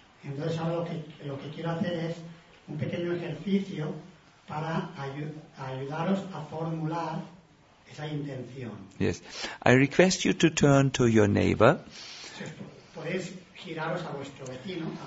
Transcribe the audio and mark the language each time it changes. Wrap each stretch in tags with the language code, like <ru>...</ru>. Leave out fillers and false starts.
<es>Entonces ahora lo que quiero hacer es un pequeño ejercicio para ayudaros a formular esa intención.</es> <en>Yes, I request you to turn to your neighbor.</en> <es>Podéis giraros a vuestro vecino.</es>